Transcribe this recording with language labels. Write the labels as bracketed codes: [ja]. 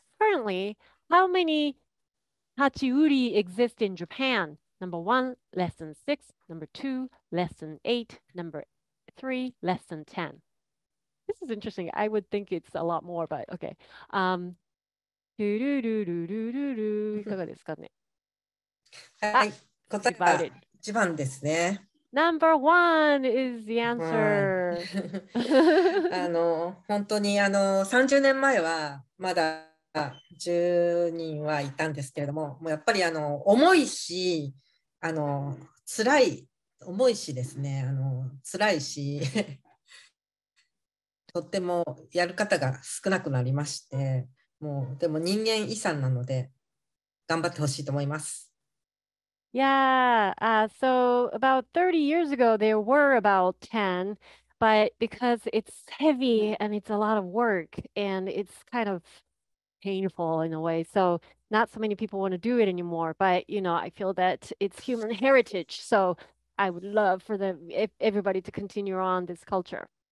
[en] Currently, how many hachiuri exist in Japan? Number one, less than six. Number two, less than eight. Number three, less than ten. This is interesting. I would think it's a lot more, but okay. [ja] いかがですかね？はい、答えは一番ですね。 [en] Number one is the answer. [ja] あの、本当にあの、30年前はまだ10人はいたんですけれど もうやっぱりあの重いしあの辛い重いしですねあの辛いしとってもやる方が少なくなりましてもうでも人間遺産なので頑張ってほしいと思います。 [en] Yeah, so about 30 years ago there were about 10, but because it's heavy and it's a lot of work and it's kind ofpainful in a way, so not so many people want to do it anymore, but you know, I feel that it's human heritage, so I would love for everybody to continue on this culture.